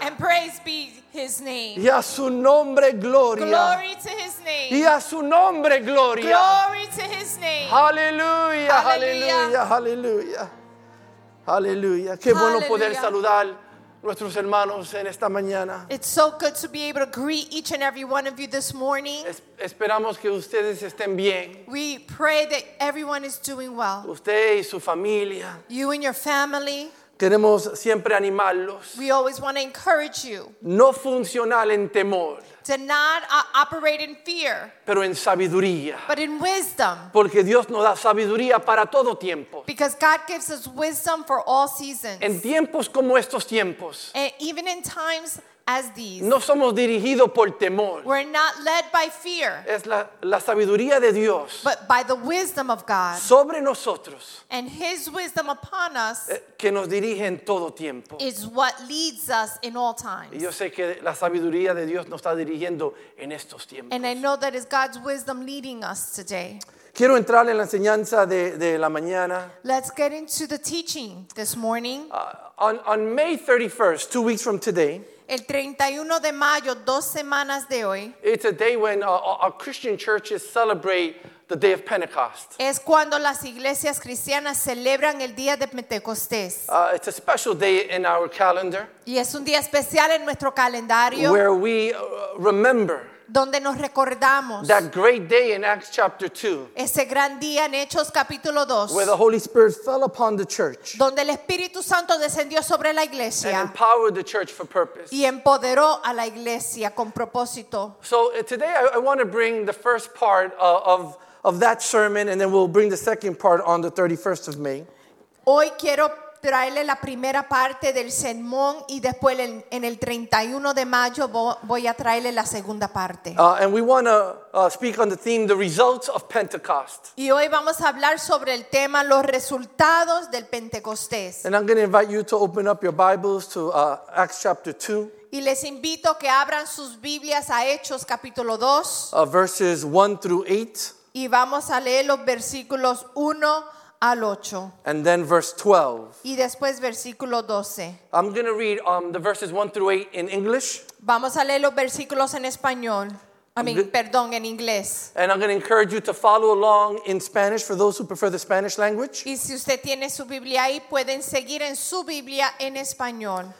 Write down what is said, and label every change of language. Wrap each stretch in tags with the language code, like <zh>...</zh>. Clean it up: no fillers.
<en>And praise be his name.</en> <es>Y a su nombre gloria.</es> <en>Glory to his name.</en> <es>Y a su nombre gloria.</es> <en>Glory to his name.</en> <es>Aleluya, aleluya, aleluya. Aleluya. Qué bueno poder saludar nuestros hermanos en esta mañana.</es> <en>It's so good to be able to greet each and every one of you this morning.</en> <es>Esperamos que ustedes estén bien.</es> <en>We pray that everyone is doing well.</en> <es>Usted y su familia.</es> <en>You and your family.</en> <es>Queremos siempre animarlos.</es> <en>We always want to encourage you.</en> <es>No funcionar en temor.</es> <en>To not operate in fear.</en> <es>Pero en sabiduría.</es> <en>But in wisdom.</en> <es>Porque Dios nos da sabiduría para todo tiempo.</es> <en>Because God gives us wisdom for all seasons.</en> <es>En tiempos como estos tiempos.</es> <en>And even in times as these.</en> <es>No somos dirigidos por temor.</es> <en>We're not led by fear.</en> <es>Es la sabiduría de Dios.</es> <en>But by the wisdom of God.</en> <es>Sobre nosotros.</es> <en>And his wisdom upon us.</en> <es>Que nos dirige en todo tiempo.</es> <en>Is what leads us in all times.</en> <es>Y yo sé que la sabiduría de Dios nos está dirigiendo en estos tiempos.</es> <en>And I know that it's God's wisdom leading us today.</en> <es>Quiero entrar en la enseñanza de la mañana.</es> <en>Let's get into the teaching this morning. On May 31st, 2 weeks from today.</en> <es>El 31 de mayo, dos semanas de hoy.</es> <en>It's a day when our Christian churches celebrate the day of Pentecost.</en> <es>Es cuando las iglesias cristianas celebran el día de Pentecostés.</es> <en>It's a special day in our calendar.</en> <es>Y es un día especial en nuestro calendario.</es> <en>Where we remember.</en> <es>Donde nos recordamos.</es> <en>That great day in Acts chapter 2.</en> <es>Ese gran día en Hechos capítulo 2.</es> <en>Where the Holy Spirit fell upon the church.</en> <es>Donde el Espíritu Santo descendió sobre la iglesia.</es> <en>And empowered the church for purpose.</en> <es>Y empoderó a la iglesia con propósito.</es> <en>So today I want to bring the first part of that sermon, and then we'll bring the second part on the 31st of May.</en> <es>Hoy quiero traerle la primera parte del sermón y después en el 31 de mayo voy a traerle la segunda parte.</es> <en>And we want to speak on the theme, the results of Pentecost.</en> <es>Y hoy vamos a hablar sobre el tema, los resultados del Pentecostés.</es> <en>And I'm going to invite you to open up your Bibles to Acts chapter 2.</en> <es>Y les invito que abran sus Biblias a Hechos capítulo 2.</es> <en>Verses 1 through 8.</en> <es>Y vamos a leer los versículos 1 al 8.</es> <en>And then verse 12.</en> <es>Y después versículo 12.</es> <en>I'm going to read the verses 1 through 8 in English.</en> <es>Vamos a leer los versículos en español. Perdón, en inglés.</es> <en>And I'm going to encourage you to follow along in Spanish for those who prefer the Spanish language.</en> <es>Y si usted tiene su Biblia ahí, pueden seguir en su Biblia en español.</es>